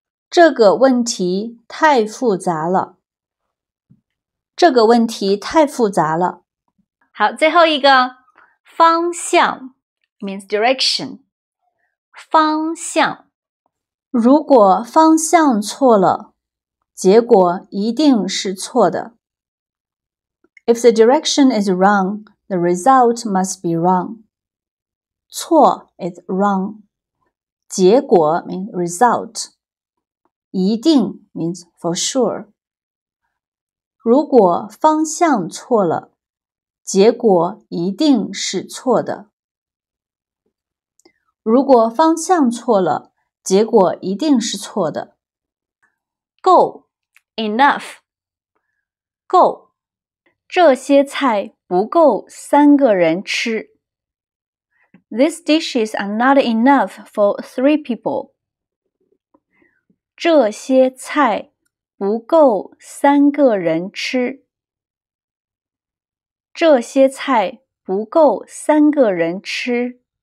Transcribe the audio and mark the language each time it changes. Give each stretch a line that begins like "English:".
Chinese: 这个问题太复杂了。这个问题太复杂了。好，最后一个方向
English: means direction.
Chinese: 方向如果方向错了结果一定是错的。
English: If the direction is wrong, the result must be wrong. 错 is wrong. 结果 means result. 一定 means for sure.
Chinese: 如果方向错了，结果一定是错的。如果方向错了，结果一定是错的。
English: 够 enough.
Chinese: 够这些菜不够三个人吃。
English: These dishes are not enough for three people.
Chinese: 这些菜不够三个人吃。这些菜不够三个人吃。